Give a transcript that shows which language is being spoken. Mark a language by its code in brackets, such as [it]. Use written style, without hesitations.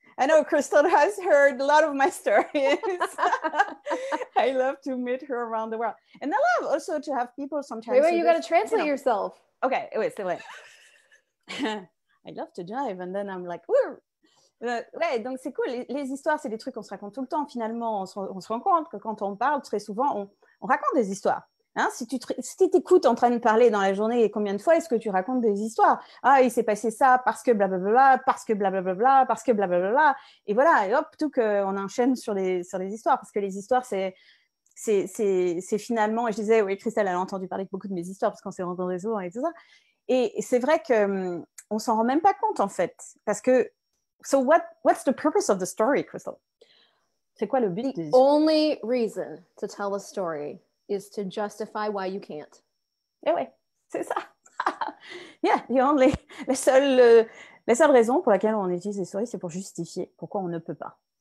[en] I know Crystal has heard a lot of my stories. I love to meet her around the world. And I love also to have people sometimes. Wait, you got to translate yourself. Okay, wait. I love to drive and then I'm like, woo! [fr] Ouais, donc c'est cool. Les histoires, c'est des trucs qu'on se raconte tout le temps. Finalement, on se rend compte que quand on parle, très souvent, on raconte des histoires. Hein? Si tu t'écoutes en train de parler dans la journée, combien de fois est-ce que tu racontes des histoires? Ah, il s'est passé ça parce que blablabla, parce que blablabla, parce que blablabla. Et voilà, et hop, tout qu'on enchaîne sur les histoires. Parce que les histoires, c'est finalement... Et je disais, oui, Christelle, elle a entendu parler de beaucoup de mes histoires parce qu'on s'est rencontrés souvent et tout ça. Et c'est vrai que... On s'en rend même pas compte, en fait. Parce que, [en] so what's the purpose of the story, Crystal? [fr] C'est quoi le but? [en] The only reason to tell a story is to justify why you can't. [fr] Eh ouais, c'est ça. [en] Yeah, the only, [fr] la seule raison pour laquelle on utilise les souris, c'est pour justifier pourquoi on ne peut pas.